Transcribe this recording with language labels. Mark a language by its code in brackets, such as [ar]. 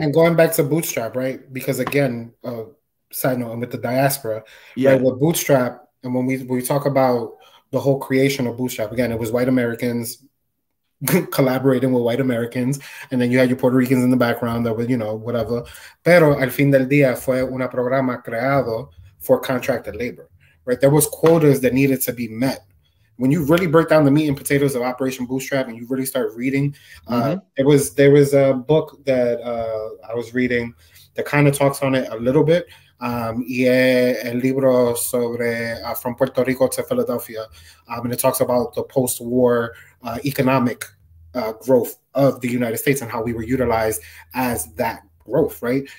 [en] and going back to Bootstrap, right? Because again, side note, I'm with the diaspora. Yeah. Right? With Bootstrap, and when we talk about the whole creation of Bootstrap, again, it was white Americans collaborating with white Americans, and then you had your Puerto Ricans in the background that were, you know, whatever. [es] Pero al fin del día fue una programa creado [en] for contracted labor, right? There was quotas that needed to be met. When you really break down the meat and potatoes of Operation Bootstrap and you really start reading, there was a book that I was reading that kind of talks on it a little bit. [es] El libro sobre [en] From Puerto Rico to Philadelphia, and it talks about the post-war economic growth of the United States and how we were utilized as that growth, right?